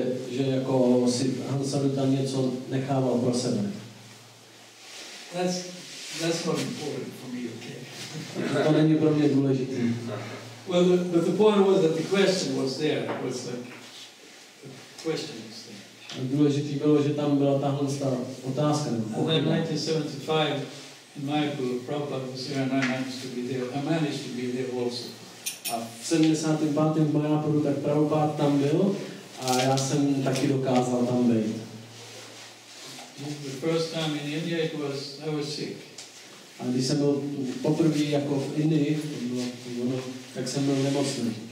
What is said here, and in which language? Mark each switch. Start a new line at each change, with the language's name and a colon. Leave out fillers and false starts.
Czech: Že jako si Hans-Rüther něco nechával pro sebe.
English: That's not important for me, okay?
Czech: To není pro mě důležitý.
English: Well, but the point was that the question was there. It was like the question.
Czech: A důležitý bylo, že tam byla tahle ta otázka.
English: And then 1975 in Mayapur, Prabhupada was here and I managed to be there also.
Czech: A v 75. v Mayapuru tak Prabhupada tam byl a já jsem taky dokázal tam být.
English: The first time in India it was, I was sick.
Czech: A když jsem byl poprvé jako v Indii, tak jsem byl nemocný.